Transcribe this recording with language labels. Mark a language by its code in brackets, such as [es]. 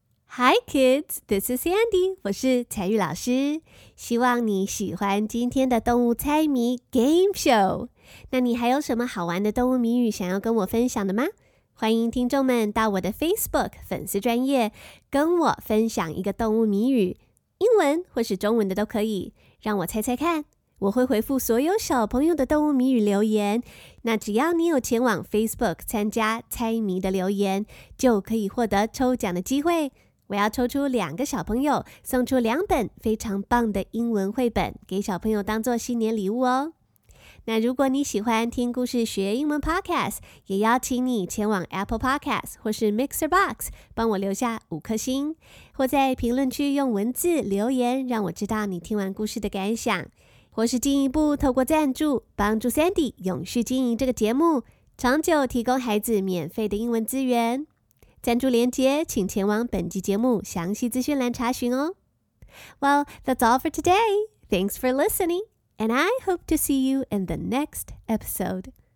[en] Hi kids, this is Andy, [zh] 我是彩玉老师。希望你喜欢今天的动物猜谜 Game Show。那你还有什么好玩的动物谜语想要跟我分享的吗？欢迎听众们到我的 Facebook 粉丝专页跟我分享一个动物谜语，英文或是中文的都可以，让我猜猜看。我会回复所有小朋友的动物谜语留言，那只要你有前往 Facebook 参加猜谜的留言，就可以获得抽奖的机会。我要抽出两个小朋友，送出两本非常棒的英文绘本给小朋友当做新年礼物哦。那如果你喜欢听故事学英文 Podcast， 也邀请你前往 Apple Podcast 或是 Mixer Box 帮我留下五颗星，或在评论区用文字留言让我知道你听完故事的感想，或是进一步透过赞助帮助 Sandy 永续经营这个节目，长久提供孩子免费的英文资源。赞助连结请前往本集节目详细资讯栏查询哦。 [en] Well, that's all for today. Thanks for listening. And I hope to see you in the next episode.